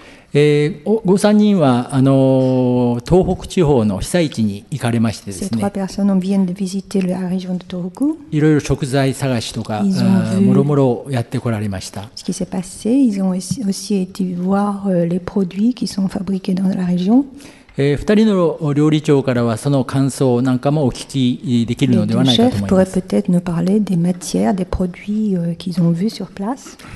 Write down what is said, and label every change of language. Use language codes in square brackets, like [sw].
[ja] ご3人は東北地方の被災地に行かれましてですね、 [fr] 3 personnes viennent de visiter la région de Tohoku. [ja] いろいろ食材探しとかもろもろやってこられました。 [fr] ce qui s'est passé, ils ont aussi été voir les produits qui sont fabriqués dans la région. [ja] 2人の料理長からはその感想なんかもお聞きできるのではないかと思います。 [fr] les chefs pourraient peut-être nous parler des matières, des produits qu'ils ont vus sur place.